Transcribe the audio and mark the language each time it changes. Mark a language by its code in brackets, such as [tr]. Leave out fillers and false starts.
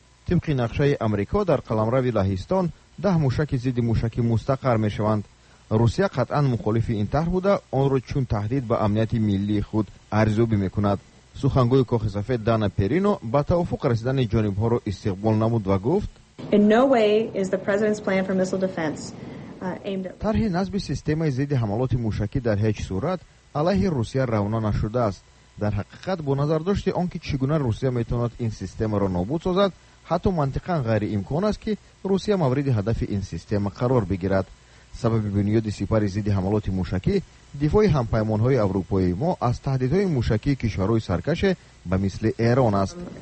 [fa] طبق نقشه امریکا در قلمرو لهستان 10 موشک ضد موشکی مستقر می شوند. روسیه قطعا مخالف این طرح بوده، آن را چون تهدید به امنیت ملی خود ارزیابی می کند. سخنگوی کاخ سفید دانا پرینو با توافق رسیدن جانب ها را استقبال نمود و گفت: [en] In no way is the president's plan for missile defense aimed at [fa] طرح نصب سیستم ضد حملات موشکی در هیچ صورت علیه روسیه روانه نشده است. در حقیقت با نظر داشت آنکه چگونه روسیه می تواند این سیستم را نابود سازد، حتی منطقا غیر امکان است که روسیه مورد هدف این سیستم قرار بگیرد. سبب بنیاد سپر ضد حملات موشکی دفاع همپیمان های اروپایی ما از تهدیدهای موشکی کشورهای سرکش به مثل ایران است.